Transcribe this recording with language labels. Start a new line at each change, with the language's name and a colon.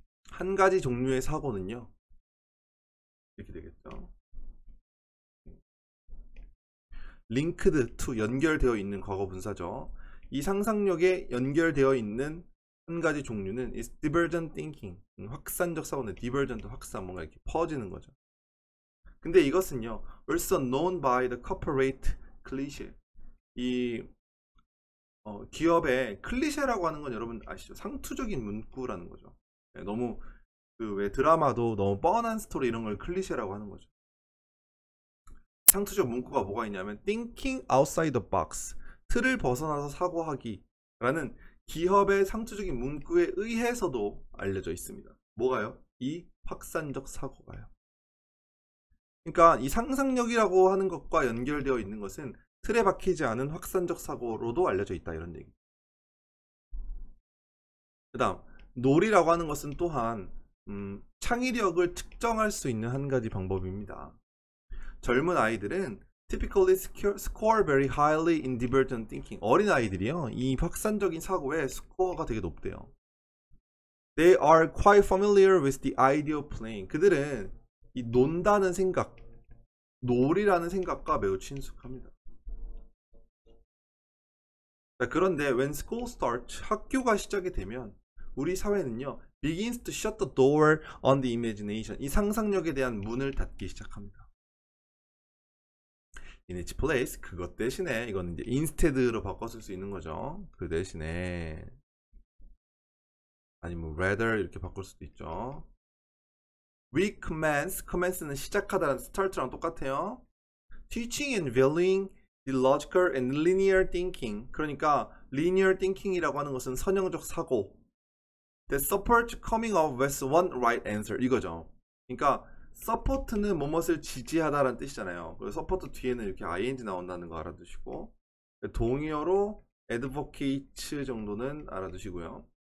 Korean: 한 가지 종류의 사고는요. 이렇게 되겠죠?
English: 링크드 투
Korean: 연결되어 있는 과거 분사죠. 이 상상력에 연결되어 있는 한 가지 종류는
English: is divergent thinking.
Korean: 확산적 사고네. divergent 확산 뭔가 이렇게 퍼지는 거죠. 근데 이것은요.
English: also known by the corporate cliché.
Korean: 기업의 클리셰라고 하는 건 여러분 아시죠? 상투적인 문구라는 거죠. 네, 너무 그왜 드라마도 너무 뻔한 스토리 이런 걸 클리셰라고 하는 거죠. 상투적 문구가 뭐가 있냐면
English: Thinking outside the box
Korean: 틀을 벗어나서 사고하기 라는 기업의 상투적인 문구에 의해서도 알려져 있습니다. 뭐가요? 이 확산적 사고가요. 그러니까 이 상상력이라고 하는 것과 연결되어 있는 것은 틀에 박히지 않은 확산적 사고로도 알려져 있다 이런 얘기. 그다음 놀이라고 하는 것은 또한 창의력을 측정할 수 있는 한 가지 방법입니다. 젊은 아이들은
English: typically score very highly in divergent thinking.
Korean: 어린 아이들이요. 이 확산적인 사고에 스코어가 되게 높대요.
English: They are quite familiar with the idea of playing.
Korean: 그들은 이 논다는 생각, 놀이라는 생각과 매우 친숙합니다. 그런데
English: when school starts,
Korean: 학교가 시작이 되면 우리 사회는요,
English: begins to shut the door on the imagination.
Korean: 이 상상력에 대한 문을 닫기 시작합니다.
English: In its place,
Korean: 그것 대신에 이거는 이제 instead로 바꿔 쓸수 있는 거죠. 그 대신에 아니면 rather 이렇게 바꿀 수도 있죠.
English: We commence,
Korean: commence는 시작하다라는 start랑 똑같아요.
English: Teaching and valuing the logical and linear thinking.
Korean: 그러니까 linear thinking이라고 하는 것은 선형적 사고.
English: That supports coming up with one right answer 이거죠.
Korean: 그러니까 서포트는 뭐뭐을 지지하다라는 뜻이잖아요. 그리고 서포트 뒤에는 이렇게 ing 나온다는 거 알아두시고 동의어로 advocate 정도는 알아두시고요.